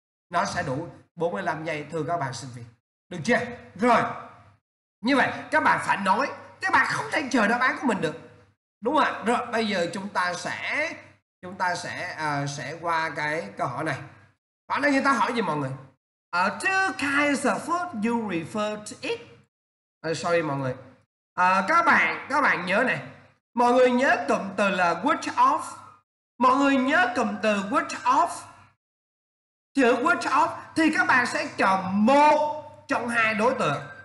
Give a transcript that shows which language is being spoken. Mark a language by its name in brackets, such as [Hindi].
[Vietnamese] Nó sẽ đủ 45 giây thưa các bạn sinh viên. Được chưa? Rồi. Như vậy các bạn phải nói. Các bạn không thể chờ đáp án của mình được. Đúng không ạ? Rồi bây giờ chúng ta sẽ qua cái câu hỏi này. Hỏi này người ta hỏi gì mọi người? [English] Two kinds of food you refer to eat. [Vietnamese] Sorry mọi người. Các bạn nhớ này. Mọi người nhớ cụm từ là which of. Mọi người nhớ cụm từ which of. Chữ which of thì các bạn sẽ chọn một trong hai đối tượng.